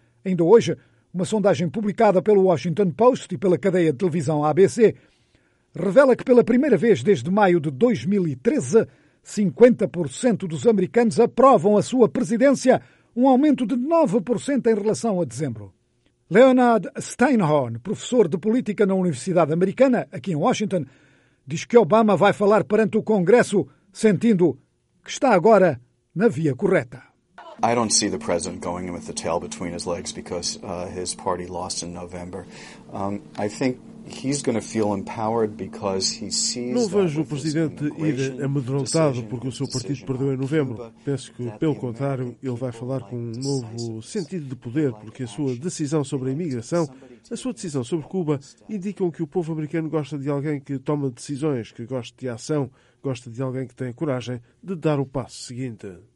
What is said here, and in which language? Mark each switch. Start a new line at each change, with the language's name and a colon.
Portuguese: Ainda hoje, uma sondagem publicada pelo Washington Post e pela cadeia de televisão ABC revela que pela primeira vez desde maio de 2013, 50% dos americanos aprovam a sua presidência, um aumento de 9% em relação a dezembro. Leonard Steinhorn, professor de política na Universidade Americana, aqui em Washington, diz que Obama vai falar perante o Congresso sentindo que está agora na via correta.
English: I don't see the president going with the tail between his legs because his party lost in November. I think he's going to feel empowered because he sees.
Portuguese: Não vejo o presidente ir amedrontado porque o seu partido perdeu em novembro. Penso que, pelo contrário, ele vai falar com um novo sentido de poder porque a sua decisão sobre a imigração, a sua decisão sobre Cuba, indicam que o povo americano gosta de alguém que toma decisões, que gosta de ação, gosta de alguém que tenha coragem de dar o passo seguinte.